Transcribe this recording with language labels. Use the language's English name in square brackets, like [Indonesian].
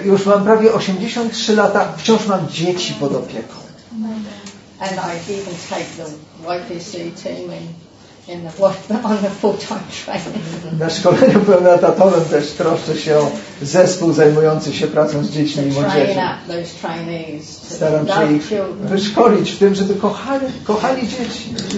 [Polish] Już mam prawie 83 lata, wciąż mam dzieci pod opieką. [English] And I even take the YPC team on the full-time training. [Polish] Na szkoleniu pełnoetatowym też troszczę się o zespół zajmujący się pracą z dziećmi i młodzieżą. Staram się ich wyszkolić w tym, żeby kochali dzieci.